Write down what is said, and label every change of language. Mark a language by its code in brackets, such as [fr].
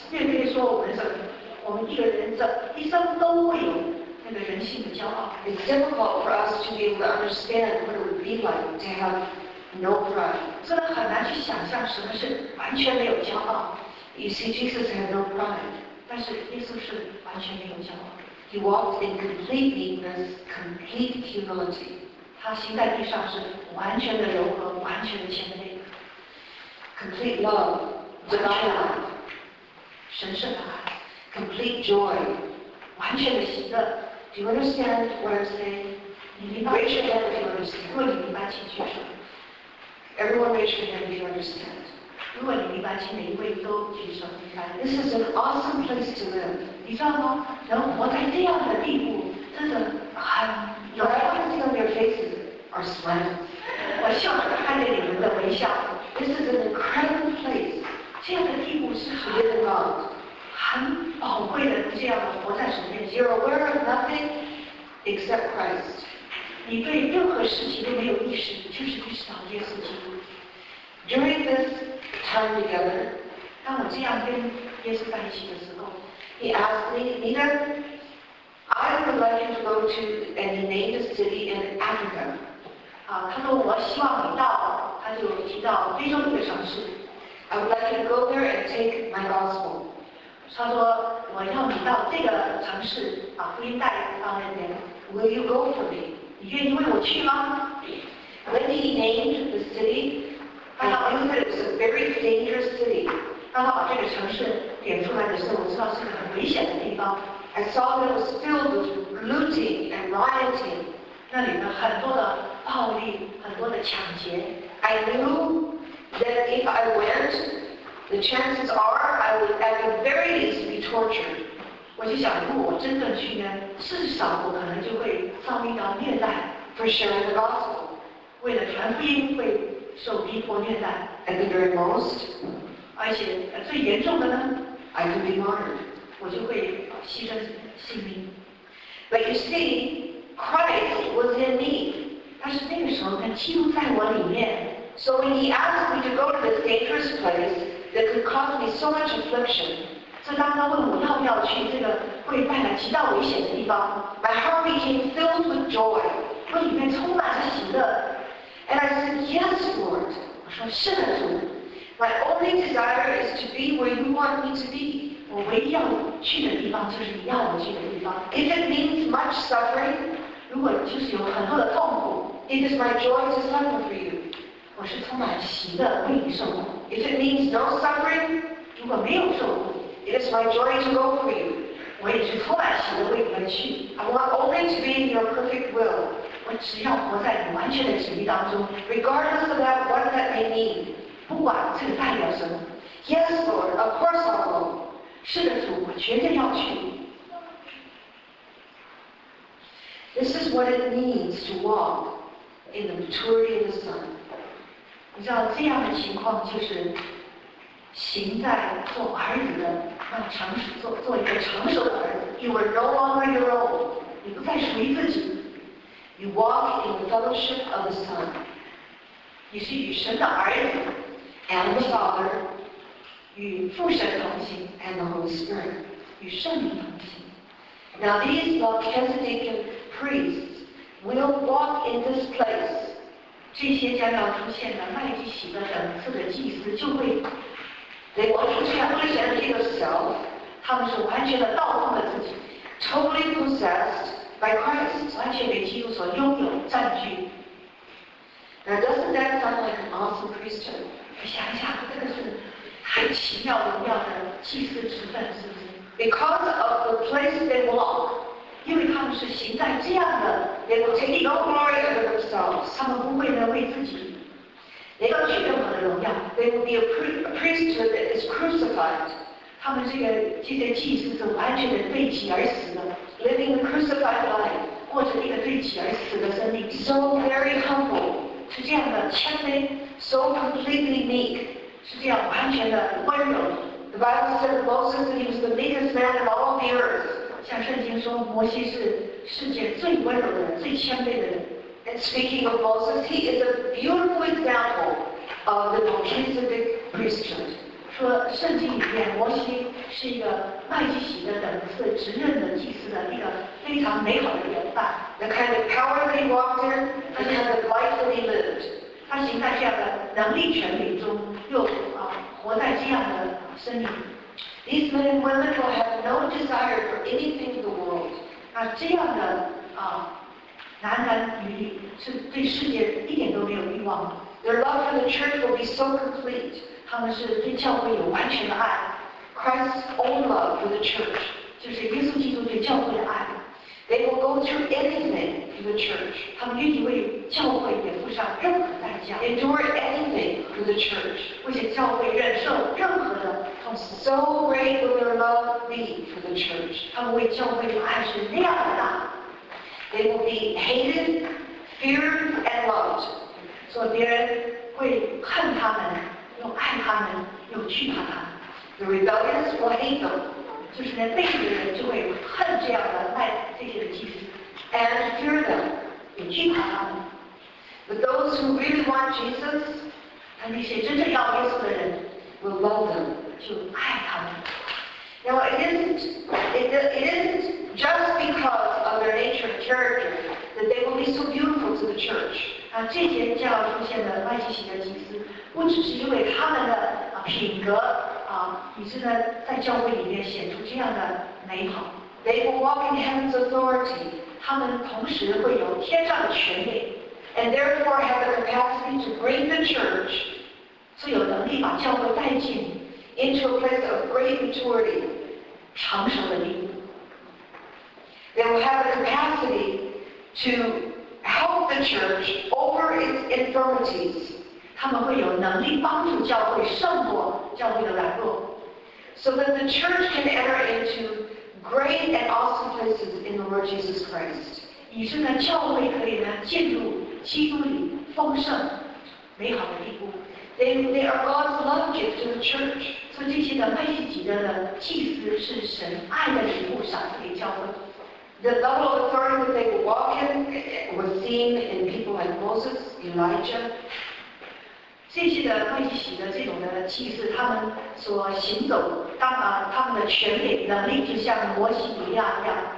[zh] 也可以说我们一个人这一生都会有那个人性的骄傲。 [en] It's difficult for us to be able to understand what it would be like to have no pride. [zh] 真的很难去想象什么是完全没有骄傲。 [en] You see, Jesus had no pride. [zh] 但是耶稣是完全没有骄傲。 [en] He walked in complete meekness, complete humility. [zh] 他行在地上是完全的柔和，完全的谦卑。 [en] Complete love, without love. [zh] 神是大爱。 [en] Complete joy, [zh] 完全的喜乐。 [en] Do you understand what I'm saying? [zh] 你明白？ [en] Raise your hand if you understand. [zh] 如果你明白，请举手。 [en] Everyone, raise your hand if you understand. [zh] 如果你明白，请每一位都举手。明白。 [en] This is an awesome place to live. [zh] 你知道吗？能活在这样的地步，真的很有。 [en] I want to see your faces are smiling. [zh] 我笑着看着你们的微笑。 [en] This is an incredible place. [zh] 这样的地步是很难得到的。很宝贵的，这样活在神面前。 [en] You're aware of nothing except Christ. [zh] 你对任何事情都没有意识，就是意识到耶稣基督。 [en] During this time together, [zh] 当我这样跟耶稣在一起的时候 [en] ，He asked me, Nina, I would like you to go to and name a city in Africa. [zh] 啊，他说我希望你到，他就提到非洲一个城市。 [en] I would like you to go there and take my gospel. [zh] 他说：“我要你到这个城市把福音带到那边。 [en] ”Will you go for me？ [zh] 你愿意为我去吗 [en] ？When he named the city， [zh] 他说 [en] ：“It was a very dangerous city。” [zh] 当他把这个城市点出来的时候，我知道是个很危险的地方。 [en] I saw that it was filled with looting and rioting。 [zh] 那里面很多的暴力，很多的抢劫。 [en] I knew that if I went。 The chances are I would at the very least be tortured. [zh] 我就想，如果我真的去呢，至少我可能就会遭遇到虐待。 [en] For sharing the gospel. [zh] 为了传福音会受逼迫虐待。 [en] At the very most. [zh] 而且最严重的呢 [en] ，I could be martyred. [zh] 我就会牺牲性命。 [en] But you see, Christ was in me. [zh] 但是那个时候呢，基督在我里面。 [en] So when he asked me to go to this dangerous place that could cause me so much affliction, [zh] 这当他问我要不要去这个会带来极大危险的地方 [en] ，my heart became filled with joy. [zh] 我里面充满了喜乐。 [en] And I said, "Yes, Lord." [zh] 我说是的，主。 [en] My only desire is to be where you want me to be. [zh] 我唯一要去的地方就是你要我去的地方。 [en] If it means much suffering, [zh] 如果就是有很多的痛苦 [en] ，it is my joy to suffer for you. [zh] 我是充满喜乐为你受苦。 [en] If it means no suffering， [zh] 如果没有受苦 [en] ，It is my joy to go for you。 [zh] 我也是充满喜乐为你而去。 [en] I want only to be in your perfect will。 [zh] 我只要活在你完全的旨意当中。 [en] Regardless of that, what that may mean， [zh] 不管这个代表什么。 [en] Yes, Lord, of course I'll go。 [zh] 是的，主，我绝对要去。 [en] This is what it means to walk in the maturity of the Son。 [zh] 你知道这样的情况就是行在做儿女的要成熟做一个成熟的儿子。 [en] You are no longer your own. [zh] 你不再属于自己。 [en] You walk in the fellowship of the Son. [zh] 你是与神的儿子 [en] and the Father [zh] 与父神同行 [en] and the Holy Spirit [zh] 与圣灵同行。 [en] Now these Melchizedek priests will walk in this place. [zh] 这些将要出现的麦基洗德等次的祭司就会 [en] ，They will totally empty themselves， [zh] 他们是完全的倒空了自己 [en] ，totally possessed by Christ， [zh] 完全被基督所拥有占据。 [en] Now doesn't that sound like an awesome priesthood？ [zh] 我想一下，这个是太奇妙荣耀的祭司职分，是不是 [en] ？Because of the place they walk， [zh] 因为他们是行在这样的 [en] They will take no glory to themselves. [zh] 他们不会呢为自己得到去任何的荣耀。 [en] They will be a priesthood that is crucified. [zh] 他们这些祭司是完全的背弃而死的 [en] ，living a crucified life， [zh] 过着一个背弃而死的生命。 [en] So very humble， [zh] 是这样的谦卑 [en] ，so completely meek， [zh] 是这样完全的温柔。 [en] The Bible says Moses that he was the meekest man of all the earth。 [zh] 像圣经说，摩西是世界最温柔的人，最谦卑的人。 [en] And speaking of Moses, he is a beautiful example of the Melchizedek priesthood. [zh] 说圣经里面摩西是一个麦基洗德等次职任的祭司的一个非常美好的典范。 [en] The kind of power that he walked in, the kind of life that he lived. [zh] 他行在这样的能力权柄中，又活在这样的生命。 [en] These men and women will have no desire for anything in the world. [zh] 那这样的男男女女是对世界一点都没有欲望。 [en] Their love for the church will be so complete. [zh] 他们是对教会有完全的爱。 [en] Christ's own love for the church. [zh] 就是耶稣基督对教会的爱。 [en] They will go through anything for the church. [zh] 他们愿意为教会也付上任何代价。 [en] Endure anything for the church. [zh] 为着教会忍受任何的痛苦。 [en] So great will their love be for the church. [zh] 他们为教会的爱是那样的大。 [en] They will be hated, feared, and loved. [zh] 所以别人会恨他们，又爱他们，又惧怕他们。 [en] The rebellious will hate them. [zh] 就是那背逆的人就会恨这样的卖这些的祭司。 [en] And fear them. [zh] 又惧怕他们。 [en] But those who really want Jesus, [zh] 那些真正要耶稣的人 [en] ，will love them. [zh] 就爱他们。 [en] Now it isn't just because of their nature and character that they will be so beautiful to the church. [zh] 啊，这些将要出现的麦基洗德祭司，不只是因为他们的品格啊，以致呢在教会里面显出这样的美好。 [en] They will walk in heaven's authority. [zh] 他们同时会有天上的权柄 [en] ，and therefore have the capacity to bring the church. [zh] 最有能力把教会带进。 [en] Into a place of great maturity, [zh] 成熟的地步 [en] They will have the capacity to help the church over its infirmities. [zh] 他们会有能力帮助教会胜过教会的软弱 [en] So that the church can enter into great and awesome places in the Lord Jesus Christ. [zh] 以致呢，教会可以呢进入基督里丰盛美好的地步 [en] They are God's love gift to the church. [zh] 所以这些的麦基洗德的祭司是神爱的礼物赏赐给教会。 [en] The double authority that they walk in was seen in people like Moses, Elijah. [zh] 这些的麦基洗德这种的祭司，他们所行走，当然他们的权柄能力就像摩西一样一样。